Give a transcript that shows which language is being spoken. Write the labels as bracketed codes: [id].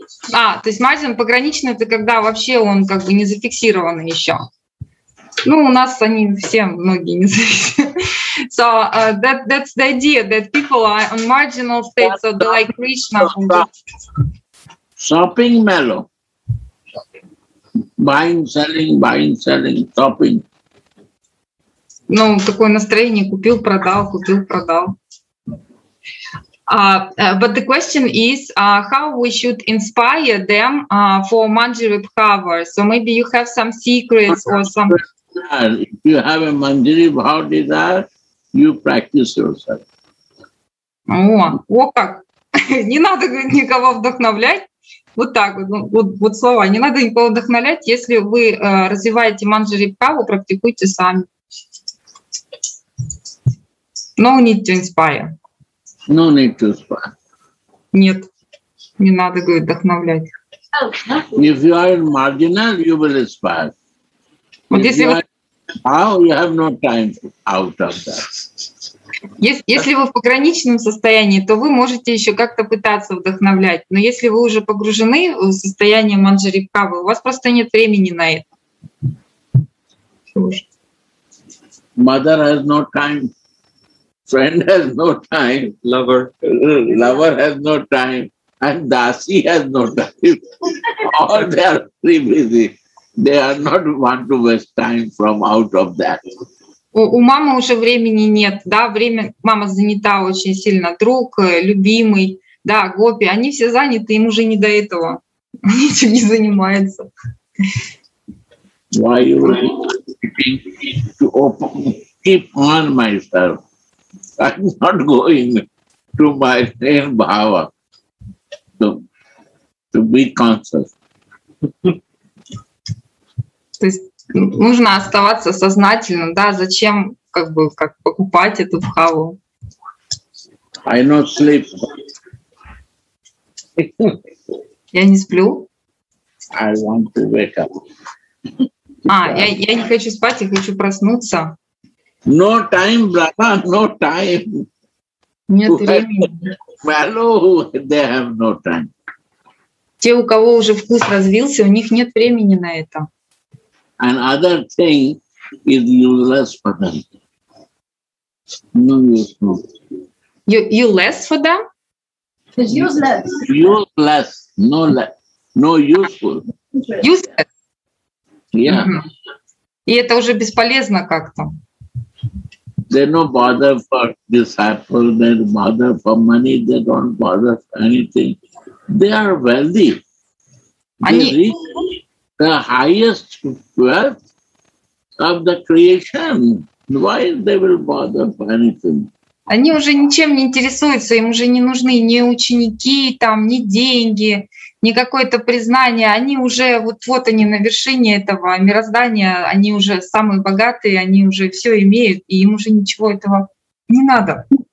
[ru] То есть мазин пограничный, это когда вообще он как бы не зафиксирован еще. Ну, у нас они все многие не зафиксированы. [en] So that's the idea that people are on marginal states, so they like Krishna. Shopping mellow. Buying, selling, shopping. [ru] Ну, такое настроение, купил, продал. [en] But the question is, how we should inspire them for Manjari Bhava? So maybe you have some secrets or some... If you have a Manjari Bhava desire, you practice yourself. [ru] Вот как! Не надо никого вдохновлять. Вот так вот, вот слова. Не надо никого вдохновлять, если вы развиваете Manjari Bhava, практикуйте сами. [en] No need to inspire. No need to spy. [ru] Нет, не надо говорит, вдохновлять. [en] If you are marginal, you will spy. [ru] Вот если вы... [en] you have no time out of that. [ru] Если вы в пограничном состоянии, то вы можете еще как-то пытаться вдохновлять. Но если вы уже погружены в состояние Manjari Bhava, у вас просто нет времени на это. [en] Mother has no time. Friend has no time, lover has no time, and dasi has no time. All they are very busy. They are not want to waste time from out of that. [ru] У мамы уже времени нет, да? Время мама занята очень сильно. Друг, любимый, да, гопи, они все заняты, им уже не до этого. Они ничем не занимаются. [en] Why you keeping to open? Keep on myself. I'm not going to my train bhava to be conscious. [ru] То есть нужно оставаться сознательным, да? Зачем как бы как покупать эту бхаву? [en] I not sleep. [ru] Я не сплю. [en] I want to wake up. [ru] я не хочу спать, я хочу проснуться. [en] No time, brother, no time. [ru] Нет времени. [en] Mellow, they have no time. [ru] Те, у кого уже вкус развился, у них нет времени на это. [en] And other thing is useless for them. No use. You less for them? It's useless. Useless, no less. No useful. Useless. Yeah. Mm-hmm. [ru] И это уже бесполезно как-то. [en] They no bother for disciple, they bother for money, they don't bother for anything. They are wealthy. [ru] Они... [en] They reach the highest wealth of the creation. Why they will bother for anything? [ru] Они уже ничем не интересуются, им уже не нужны ни ученики, там, ни деньги, не какое-то признание, они уже вот они на вершине этого мироздания, они уже самые богатые, они уже все имеют, и им уже ничего этого не надо.